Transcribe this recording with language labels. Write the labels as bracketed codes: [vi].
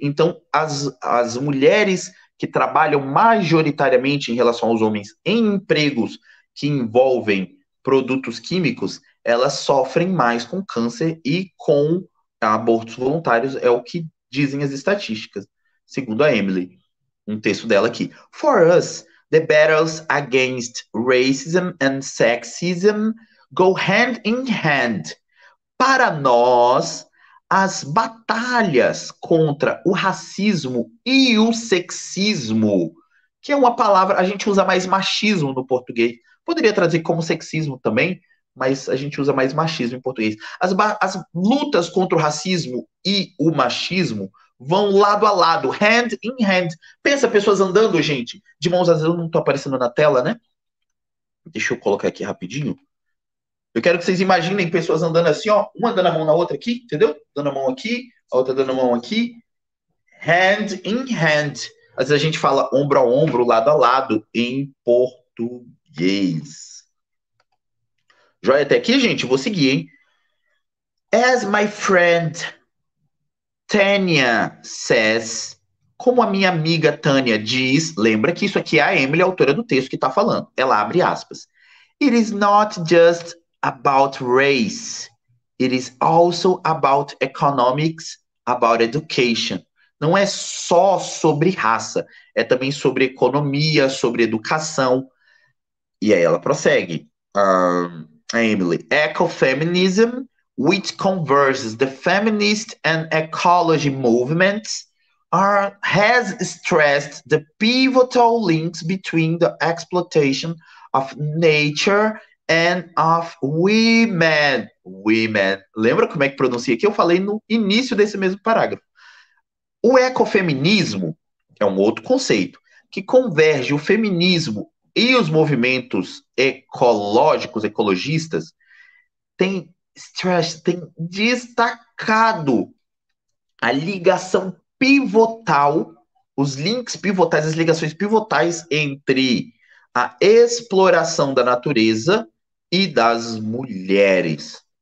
[pt] Então, as mulheres que trabalham majoritariamente em relação aos homens em empregos que envolvem produtos químicos, elas sofrem mais com câncer e com abortos voluntários, é o que dizem as estatísticas, segundo a Emily, um texto dela aqui. [en] For us, the battles against racism and sexism go hand in hand. [pt] Para nós, as batalhas contra o racismo e o sexismo, que é uma palavra, a gente usa mais machismo no português, poderia traduzir como sexismo também, mas a gente usa mais machismo em português. As lutas contra o racismo e o machismo vão lado a lado, [en] hand in hand. [pt] Pensa pessoas andando, gente, de mãos às vezes, eu não tô aparecendo na tela, né? Deixa eu colocar aqui rapidinho. Eu quero que vocês imaginem pessoas andando assim, ó, uma dando a mão na outra aqui, entendeu? Dando a mão aqui, a outra dando a mão aqui. [en] Hand in hand. [pt] Às vezes a gente fala ombro a ombro, lado a lado, em português. Joia até aqui, gente? Vou seguir, hein? [en] As my friend Tânia says, [pt] como a minha amiga Tânia diz, lembra que isso aqui é a Emily, a autora do texto que está falando. Ela abre aspas. [en] It is not just about race. It is also about economics, about education. [pt] Não é só sobre raça. É também sobre economia, sobre educação. E aí ela prossegue. [en] Emily, ecofeminism, which converges the feminist and ecology movements, has stressed the pivotal links between the exploitation of nature and of women. Women. [pt] Lembra como é que pronuncia aqui? Eu falei no início desse mesmo parágrafo. O ecofeminismo é um outro conceito que converge o feminismo e os movimentos ecológicos, ecologistas, têm destacado a ligação pivotal, os links pivotais, as ligações pivotais entre a exploração da natureza e das mulheres.